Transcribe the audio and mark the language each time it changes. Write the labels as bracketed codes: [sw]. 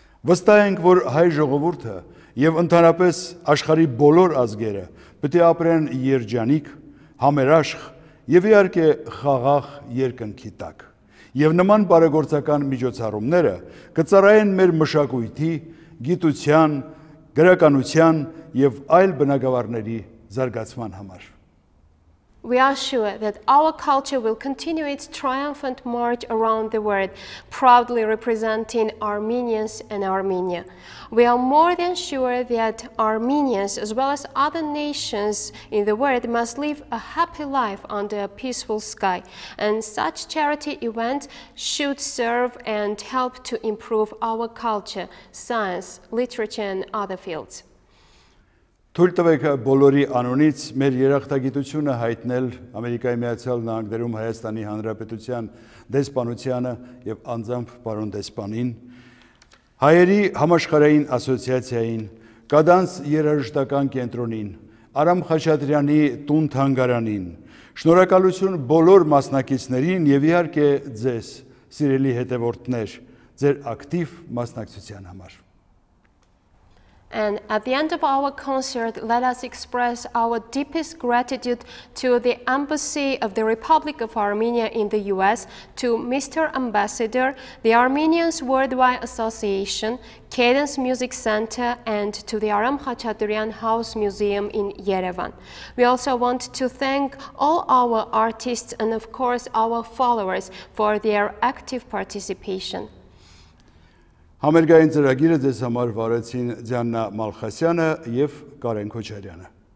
[hy] Վստահ ենք, որ հայ ժողովուրդը և ընդհանրապես աշխարհի բոլոր ազգերը պետք է ապրեն երջանիկ, համերաշխ և իհարկե խաղաղ երկնքի տակ։ Եվ նման բարեգործական միջոցառումները կծառայեն մեր մշակույթի, գիտության, գրականության և այլ բնագավառների զարգացման համար։ [en] We are sure that our culture will continue its triumphant march around the world, proudly representing Armenians and Armenia. We are more than sure that Armenians, as well as other nations in the world, must live a happy life under a peaceful sky. And such charity events should serve and help to improve our culture, science, literature, and other fields. [hy] Թույլ տվեք բոլորի անունից մեր երախտագիտությունը հայտնել Ամերիկայի Միացյալ Նահանգներում Հայաստանի Հանրապետության դեսպանությանը և անձամբ պարոն դեսպանին, Հայերի համաշխարհային ասոցիացիային, Կադանս երաժշտական կենտրոնին, Արամ Խաչատրյանի տուն թանգարանին, շնորհակալություն բոլոր մասնակիցներին և իհարկե ձեզ, սիրելի հետևորդներ, ձեր ակտիվ մասնակցության համար։ [en] And at the end of our concert, let us express our deepest gratitude to the Embassy of the Republic of Armenia in the US, to Mr. Ambassador, the Armenians Worldwide Association, Cadence Music Center, and to the Aram Khachaturian House Museum in Yerevan. We also want to thank all our artists and, of course, our followers for their active participation. [hy] Համերգային ծրագիրը ձեզ համար վարեցին Ձյաննա Մալխասյանը և Կարեն Քոչարյանը։